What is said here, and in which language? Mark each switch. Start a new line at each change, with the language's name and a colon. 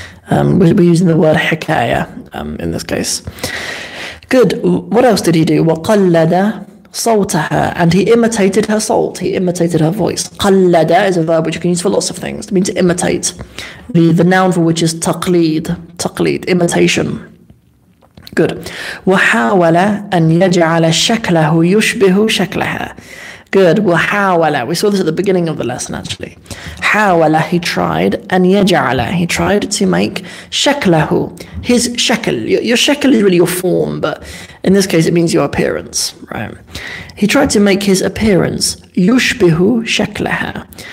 English: We're using the word حِكَايَة in this case. Good. What else did he do?
Arabic: وَقَلَّدَ صوتها,
English: and he imitated her salt. He imitated her voice. قلد is a verb which you can use for lots of things. It means to imitate. The noun for which is تقليد. تقليد, imitation. Good.
Arabic: وحاول أن يجعل شكله يشبه شكلها.
English: Good. وحاول. We saw this at the beginning of the lesson, actually. حاول, he tried.
Arabic: أن يجعل,
English: he tried to make
Arabic: شكله,
English: his شكل. Your شكل is really your form, but In this case, it means your appearance, right? He tried to make his appearance,
Arabic: yushbihu shekleha.